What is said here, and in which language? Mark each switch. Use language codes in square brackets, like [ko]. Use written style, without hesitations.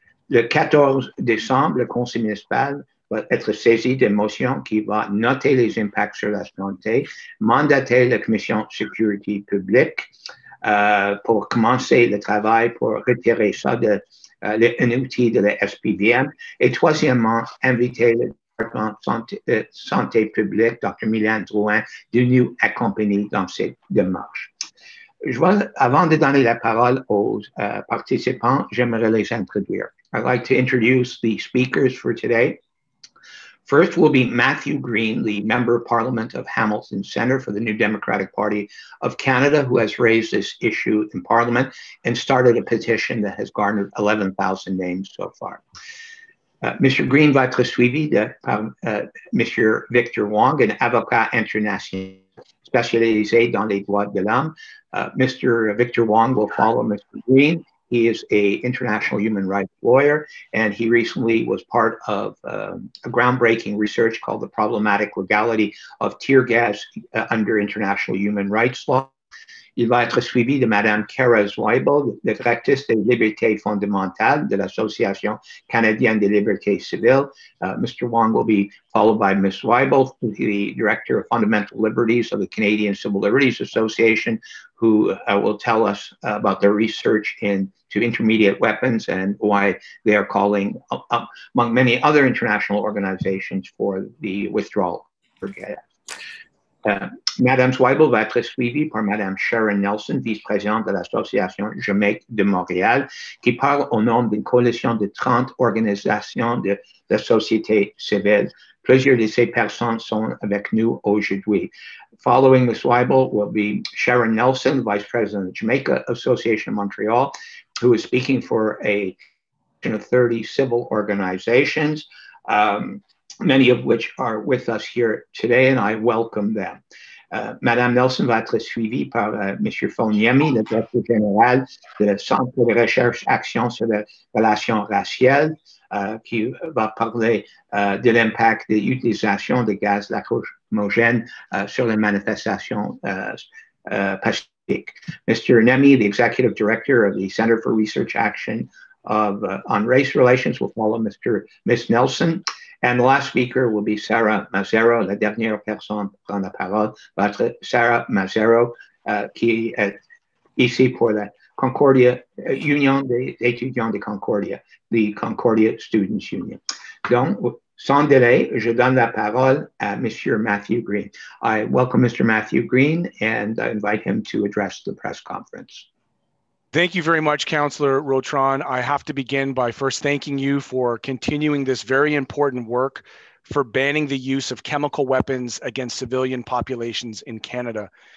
[fr] Le 14 décembre, le conseil municipal va être saisi d'une motion qui va noter les impacts sur la santé, mandater la commission sécurité publique pour commencer le travail pour retirer ça de un outil de la SPVM et troisièmement inviter le département santé publique, Dr. Mylène Drouin, de nous accompagner dans cette démarche. Avant de donner la parole aux participants, j'aimerais les introduire. [en] I'd like to introduce the speakers for today. First will be Matthew Green, the Member of Parliament of Hamilton Centre for the New Democratic Party of Canada, who has raised this issue in Parliament and started a petition that has garnered 11,000 names so far. [fr] Mr. Green va être suivi de Mr. Victor Wong, an avocat international spécialisé dans les droits de l'homme. [en] Mr. Victor Wong will follow Mr. Green. He is an international human rights lawyer, and he recently was part of a groundbreaking research called The Problematic Legality of Tear Gas Under International Human Rights Law. [fr] Il va être suivi de Madame Kara Zweibel, la directrice des libertés fondamentales de l'Association canadienne des libertés civiles. [en] Mr. Wong will be followed by Ms. Zweibel, the director of fundamental liberties of the Canadian Civil Liberties Association, who will tell us about their research into intermediate weapons and why they are calling, among many other international organizations, for the withdrawal forget. [fr] Madame Zweibel va être suivie par Madame Sharon Nelson, vice-présidente de l'Association Jamaïque de Montréal, qui parle au nom d'une coalition de 30 organisations de la société civile. Plusieurs de ces personnes sont avec nous aujourd'hui. [en] Following Ms. Zweibel will be Sharon Nelson, Vice President of the Jamaica Association of Montreal, who is speaking for a 30 civil organizations, many of which are with us here today, and I welcome them. [fr] Madame Nelson va être suivie par Monsieur Fonyemi, le Directeur Général du Centre de Recherche Action sur les Relations Raciales, qui va parler de l'impact de l'utilisation des gaz lacrymogènes sur les manifestations pacifiques. [en] Mr. Nemi, the Executive Director of the Center for Research Action on Race Relations, will follow Ms. Nelson. And the last speaker will be Sarah Mazzero, [fr] la dernière personne à prendre la parole, va être Sarah Mazzero, qui est ici pour la Concordia Union des étudiants de Concordia, [en] the Concordia Students Union. [fr] Donc, sans délai, je donne la parole à Monsieur Matthew Green. [en] I welcome Mr. Matthew Green and I invite him to address the press conference. Thank you very much, Councillor Rotrand. I have to begin by first thanking you for continuing this very important work for banning the use of chemical weapons against civilian populations in Canada.